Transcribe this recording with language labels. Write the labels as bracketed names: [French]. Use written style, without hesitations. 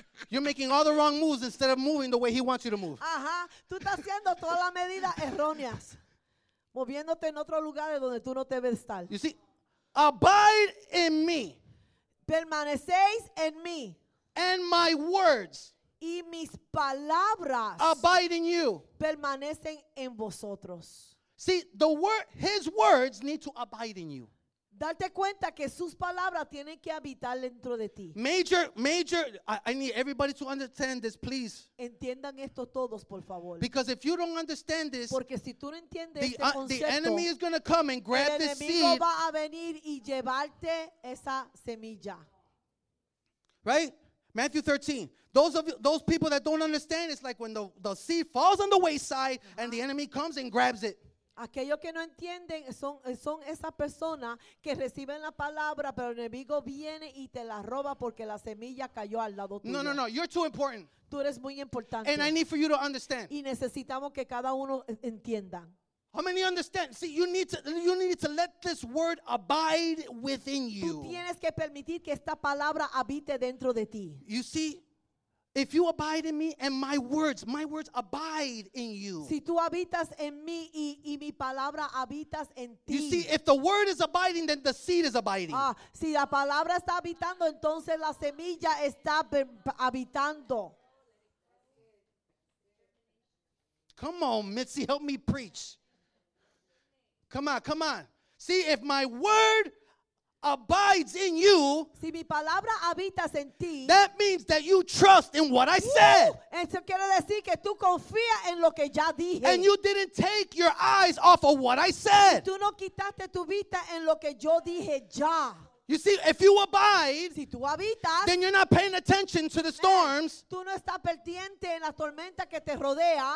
[English] You're making all the wrong moves instead of moving the way he wants you to move. [Spanish] Ajá, tú estás haciendo todas las medidas erróneas, moviéndote en otro lugar de donde tú no te ves estar. [English] You see, abide in me. [Spanish] Permanecéis en mí. [English] And my words. [Spanish] Y mis palabras. [English] Abide in you. [Spanish] Permanecen en vosotros. [English] See, the word, his words need to abide in you. [Spanish] Darte cuenta que sus palabras tienen que habitar dentro de ti. [English] Major, I need everybody to understand this, please. [Spanish] Entiendan esto todos, por favor. [English] Because if you don't understand this, [Spanish] porque si tú no entiendes este concepto, [English] the enemy is going to come and grab this seed. [Spanish] El enemigo va a venir y llevarte esa semilla. [English] Right? Matthew 13. Those people that don't understand, it's like when the seed falls on the wayside and the enemy comes and grabs it. [Spanish] Aquellos que no entienden son esas personas que reciben la palabra, pero el enemigo viene y te la roba porque la semilla cayó al lado tuyo. [English] No, you're too important. [Spanish] Tú eres muy importante. [English] And I need for you to understand. [Spanish] Y necesitamos que cada uno entienda. [English] How many understand? See, you need to let this word abide within you. [Spanish] Tú tienes que permitir que esta palabra habite dentro de ti. [English] You see, If you abide in me and my words abide in you. [Spanish] Si tú habitas en mí y mi palabra habitas en ti. [English] You see, if the word is abiding, then the seed is abiding. [Spanish] Ah, si la palabra está habitando, entonces la semilla está habitando. [English] Come on, Mitzi, help me preach. Come on, come on. See, if my word abides in you, [Spanish] si mi palabra habitas en ti, [English] that means that you trust in what I said. [Spanish] Eso quiere decir que tú confías en lo que ya dije. [English] And you didn't take your eyes off of what I said. [Spanish] Tú no quitaste tu vista en lo que yo dije ya. [English] You see, if you abide, [Spanish] si tú habitas, [English] then you're not paying attention to the storms. [Spanish] Tú no estás pendiente en la tormenta que te rodea.